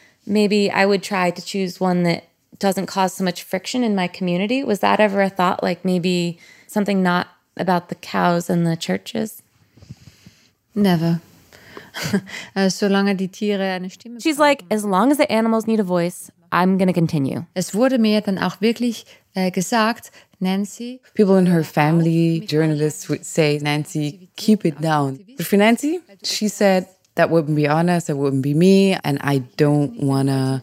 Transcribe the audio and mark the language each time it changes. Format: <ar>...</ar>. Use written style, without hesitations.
<en>Maybe I would try to choose one that doesn't cause so much friction in my community. Was that ever a thought? Like maybe something not about the cows and the churches? Never.</en> <de>Solange die Tiere eine Stimme.</de> <en>She's like, as long as the animals need a voice, I'm going to continue.</en> <de>Es wurde mir dann auch wirklich gesagt, Nancy.</de> <en>People in her family, journalists would say, Nancy, keep it down. But for Nancy, she said, that wouldn't be honest, it wouldn't be me, and I don't want to.</en>